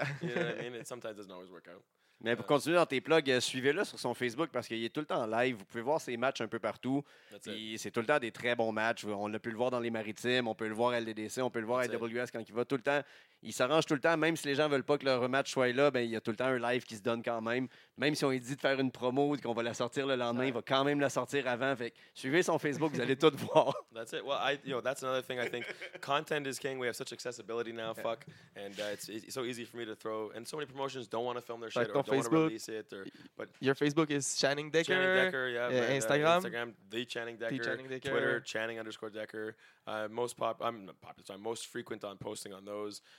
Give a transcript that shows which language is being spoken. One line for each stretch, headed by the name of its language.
English: You know what I mean? It sometimes doesn't always work out.
French: Mais pour continuer dans tes plugs, suivez-le sur son Facebook parce qu'il est tout le temps en live. Vous pouvez voir ses matchs un peu partout. C'est tout le temps des très bons matchs. On a pu le voir dans les Maritimes, on peut le voir à LDDC, on peut le voir à AWS quand il va tout le temps. Il s'arrange tout le temps, même si les gens ne veulent pas que leur match soit là, ben, il y a tout le temps un live qui se donne quand même. Même si on est dit de faire une promo et qu'on va la sortir le lendemain, il va quand même la sortir avant. Fait, suivez son Facebook, vous allez tout voir.
English: That's it. Well, that's another thing I think. Content is king. We have such accessibility now, fuck. And it's so easy for me to throw. And so many promotions don't want to film their shit or don't want to release it. But your Facebook is Channing Decker. Channing Decker, yeah. Yeah, Instagram. Instagram, the Channing Decker. The Channing Decker. Twitter, Channing _ Decker. I'm most frequent on posting on those.